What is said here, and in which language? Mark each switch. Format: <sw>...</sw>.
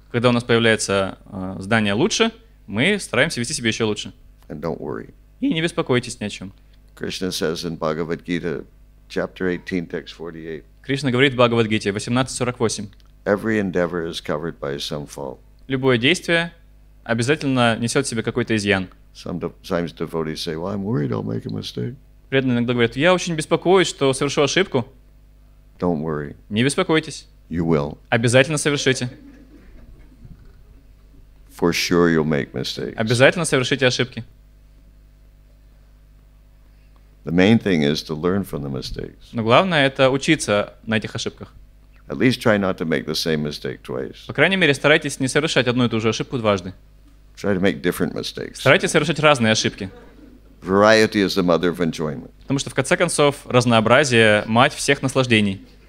<ru>Когда у нас появляется знание лучше, мы стараемся вести себя еще лучше.</ru> <en>And don't worry.</en> <ru>И не беспокойтесь ни о чем.</ru> <en>Krishna says in Bhagavad Gita, chapter 18, text 48.</en> <ru>Кришна говорит в Бхагавад-гите, 18:48.</ru> <en>Every endeavor is covered by some fault.</en> <ru>Любое действие обязательно несет в себе какой-то изъян.</ru> <en>Sometimes devotees say, well, I'm worried I'll make a mistake.</en> <ru>Преданные иногда говорят, я очень беспокоюсь, что совершу ошибку.</ru> <en>Don't worry.</en> <ru>Не беспокойтесь.</ru> <en>You will.</en> <ru>Обязательно совершите.</ru> <en>For sure you'll make mistakes.</en> <ru>Обязательно совершите ошибки.</ru> <en>The main thing is to learn from the mistakes.</en> <ru>Но главное это учиться на этих ошибках.</ru> <en>At least try not to make the same mistake twice.</en> <ru>По крайней мере, старайтесь не совершать одну и ту же ошибку дважды.</ru> <en>Try to make different mistakes.</en> <ru>Старайтесь совершать разные ошибки.</ru> <en>Variety is the mother of enjoyment.</en> <ru>Потому что в конце концов разнообразие мать всех наслаждений.</ru>